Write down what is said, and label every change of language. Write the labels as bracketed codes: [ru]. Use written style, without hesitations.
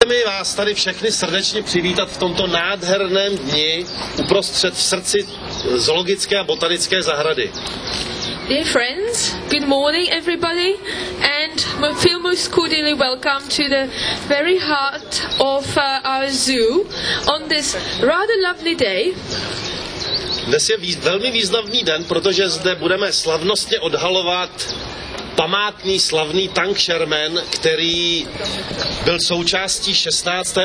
[cs] mi vás tady všechny srdečně přivítat v tomto nádherném dni uprostřed v srdci zoologické a botanické zahrady. [en] Dear friends, good morning everybody, and I feel most cordially welcome to the very heart of our zoo on this rather lovely day. [cs] Dnes je velmi významný den, protože zde budeme slavnostně odhalovat památný slavný tank Sherman, který byl součástí 16.